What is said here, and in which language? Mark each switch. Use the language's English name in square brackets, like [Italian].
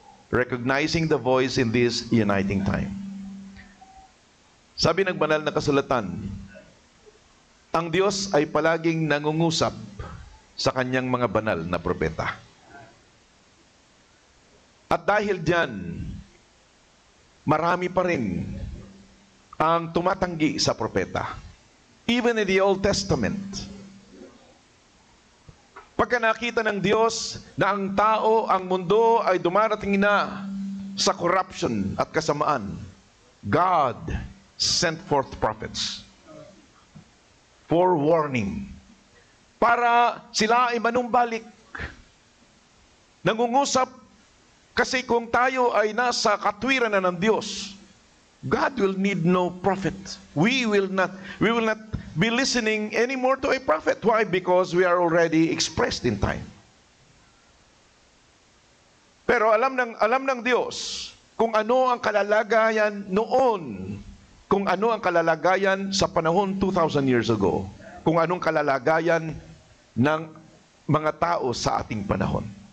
[English] Recognizing the voice in this uniting time. [Filipino] Sabi ng banal na kasulatan, ang Diyos ay palaging nangungusap sa kanyang mga banal na propeta. At dahil diyan, marami pa rin ang tumatanggi sa propeta. [English] Even in the Old Testament, [Filipino] pagka nakita ng Diyos na ang tao, ang mundo ay dumarating na sa corruption at kasamaan, [English] God sent forth prophets for warning. [Filipino] Para sila ay manumbalik. Nangungusap kasi kung tayo ay nasa katwiran na ng Diyos, [English] God will need no prophet. We will not be listening anymore to a prophet. Why? Because we are already expressed in time. [Filipino] Pero alam ng Diyos kung ano ang kalalagayan noon, kung ano ang kalalagayan sa panahon 2,000 years ago, kung anong kalalagayan ng mga tao sa ating panahon.